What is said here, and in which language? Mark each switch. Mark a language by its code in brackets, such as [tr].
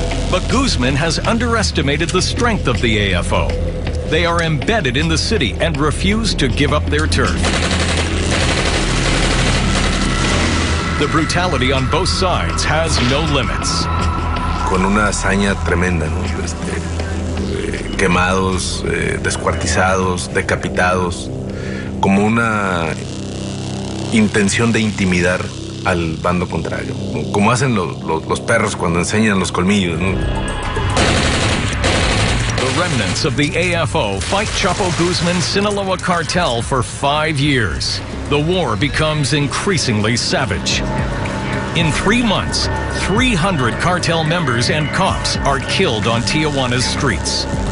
[en] But Guzman has underestimated the strength of the AFO. They are embedded in the city and refuse to give up their turf. The brutality on both sides has no limits. [es] Con una hazaña tremenda, ¿no? Quemados, descuartizados, decapitados, como una intención de intimidar al bando contrario, como hacen los perros cuando enseñan los colmillos, ¿no? [en] The remnants of the AFO fight Chapo Guzman's Sinaloa cartel for 5 years. The war becomes increasingly savage. In 3 months, 300 cartel members and cops are killed on Tijuana's streets.